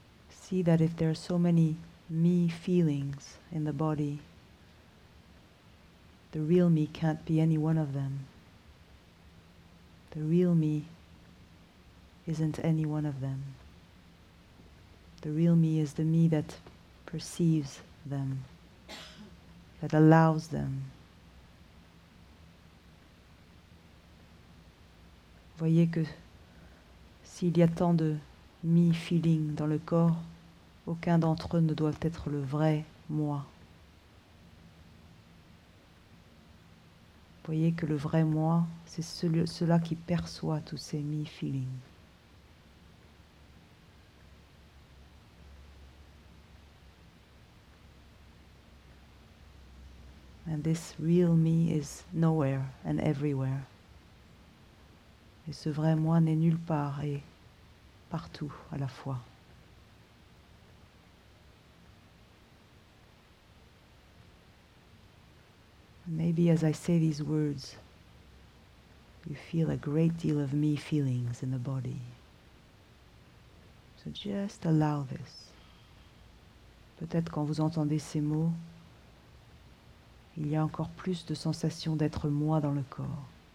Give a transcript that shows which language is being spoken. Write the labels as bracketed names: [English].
[English] See that if there are so many me feelings in the body, the real me can't be any one of them. The real me isn't any one of them. The real me is the me that perceives them, that allows them. [French] Voyez que s'il y a tant de [English] me feeling [French] dans le corps, aucun d'entre eux ne doit être le vrai moi. Voyez que le vrai moi, c'est cela qui perçoit tous ces [English] me feelings. And this real me is nowhere and everywhere. [French] Et ce vrai moi n'est nulle part et partout à la fois. [English] Maybe as I say these words, you feel a great deal of me feelings in the body. So just allow this. [French] Peut-être quand vous entendez ces mots, il y a encore plus de sensation d'être moi dans le corps.